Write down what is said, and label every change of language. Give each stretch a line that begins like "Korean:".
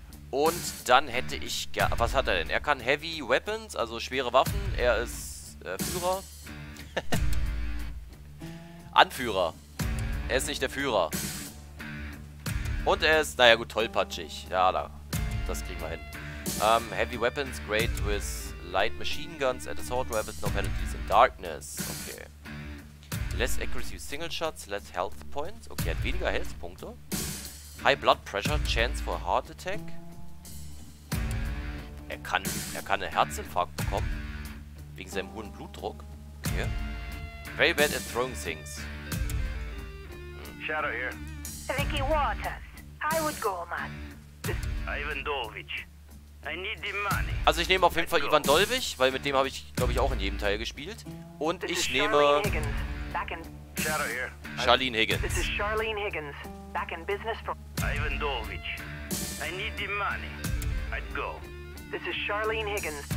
German: Und dann hätte ich gerne... Was hat er denn? Er kann Heavy Weapons, also schwere Waffen. Er ist Führer. Anführer. Er ist nicht der Führer. Und er ist, naja gut, tollpatschig. Ja, da, das kriegen wir hin.
English: Heavy Weapons, great with light machine guns at assault rifles, no penalties in darkness. Okay. Less accuracy with single shots, less health points. Okay,
German: hat weniger health Punkte.
English: High blood pressure, chance for heart attack.
German: Er kann einen Herzinfarkt bekommen. Wegen seinem hohen Blutdruck. Okay.
English: Very bad at throwing things. Shadow here. Vicky Waters. I would go, man. Ivan Dolwich. I need the money.
German: Also ich nehme auf jeden Fall Ivan Dolwich, weil mit dem habe ich, glaube ich, auch in jedem Teil gespielt. Und
English: this
German: ich nehme...
English: Shadow here. Charlene Higgins. This is Charlene Higgins. Back in business for... Ivan Dolwich. I need the money. I'd go. This is Charlene Higgins.